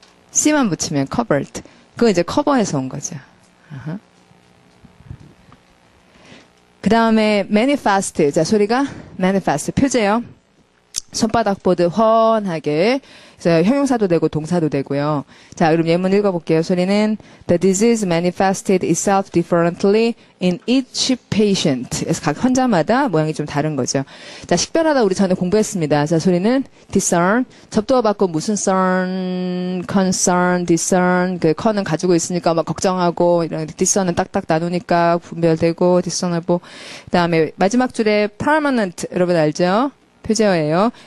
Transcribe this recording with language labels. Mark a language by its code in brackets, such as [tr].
[ko] c만 붙이면 covert. 그거 이제 커버해서 온 거죠. 그 다음에 manifest. 자, 소리가 manifest 표제요. 손바닥 보듯 환하게. 그래서 형용사도 되고 동사도 되고요. 자, 그럼 예문 읽어볼게요. 소리는 [en] The disease manifested itself differently in each patient. [ko] 그래서 각 환자마다 모양이 좀 다른 거죠. 자, 식별하다 우리 전에 공부했습니다. 자, 소리는 discern. 접두어 받고 무슨 cern, concern, discern. 그 con은 가지고 있으니까 막 걱정하고 이런 discern은 딱딱 나누니까 분별되고 discernable. 그다음에 마지막 줄에 permanent 여러분 알죠? 표제어예요.